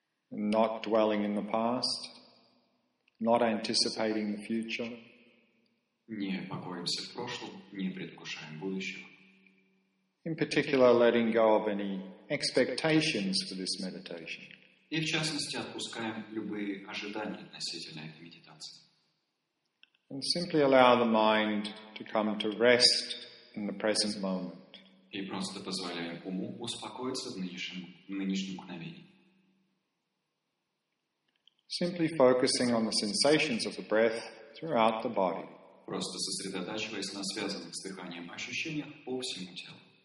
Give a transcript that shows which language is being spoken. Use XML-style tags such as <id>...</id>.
<en>Not dwelling in the past, not anticipating the future.</en> <ru>Не покоимся в прошлом, не предвкушаем будущего.</ru> <en>In particular, letting go of any expectations for this meditation.</en> <ru>И в частности, отпускаем любые ожидания относительно этой медитации.</ru> <en>And simply allow the mind to come to rest in the present moment.</en> <ru>И просто позволяем уму успокоиться в нынешнем мгновении.</ru> <en>Simply focusing on the sensations of the breath throughout the body.</en> <ru>Просто сосредотачиваясь на связанных с дыханием ощущениях по всему телу.</ru>